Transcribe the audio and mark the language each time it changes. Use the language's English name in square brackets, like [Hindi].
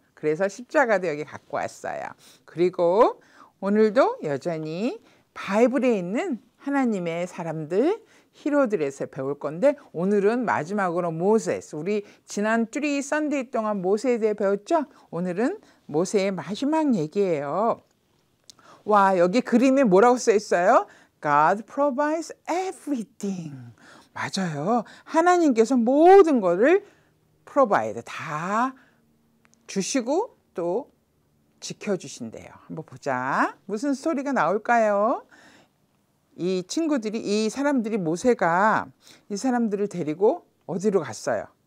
[Korean] 그래서 십자가도 여기 갖고 왔어요. 그리고 오늘도 여전히 바이블에 있는 하나님의 사람들, 히로들에서 배울 건데 오늘은 마지막으로 모세스. 우리 지난 쭈리 썬데이 동안 모세에 대해 배웠죠? 오늘은 모세의 마지막 얘기예요. 와, 여기 그림이 뭐라고 써 있어요? [English] God provides everything. [Korean] 맞아요. 하나님께서 모든 것을 provide, 다 주시고 또 지켜주신대요. 한번 보자. 무슨 스토리가 나올까요? 이 친구들이, 이 사람들이, 모세가 이 사람들을 데리고 어디로 갔어요?